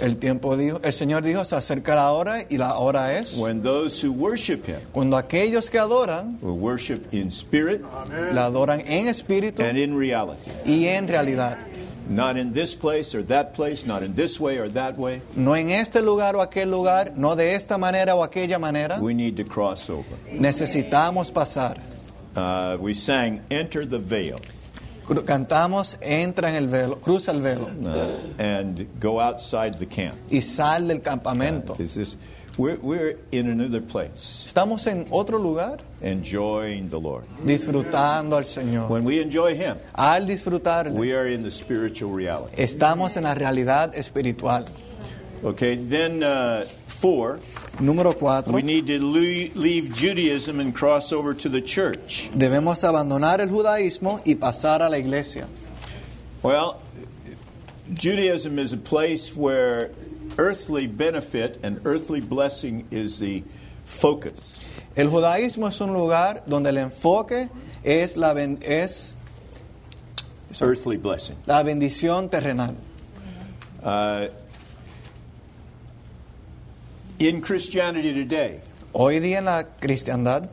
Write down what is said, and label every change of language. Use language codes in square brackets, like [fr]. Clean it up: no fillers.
[es] El tiempo dijo, el Señor dijo, se acerca la hora y la hora es. [en] When those who worship him. [es] Cuando aquellos que adoran. [en] Will worship in spirit. [es] La adoran en espíritu. [en] And in reality. [es] Y en realidad. [en] Not in this place or that place, not in this way or that way. [es] No en este lugar o aquel lugar, no de esta manera o aquella manera. [en] We need to cross over. [es] Necesitamos pasar. [en] We sang, enter the veil. [es] Cantamos, entra en el velo, cruza el velo. [en] And go outside the camp. [es] Y sal del campamento. [en] We're in another place. [es] Estamos en otro lugar. [en] Enjoying the Lord. [es] Disfrutando al Señor. [en] When we enjoy Him. [es] Al disfrutarle. [en] We are in the spiritual reality. [es] Estamos en la realidad espiritual. [en] Okay, then four. [es] Número cuatro. [en] We need to leave Judaism and cross over to the church. [es] Debemos abandonar el judaísmo y pasar a la iglesia. [en] Well, Judaism is a place where earthly benefit and earthly blessing is the focus. [es] El judaísmo es un lugar donde el enfoque es la es [en] earthly blessing. [es] La bendición terrenal. [en] In Christianity today, [es] hoy día en la cristiandad,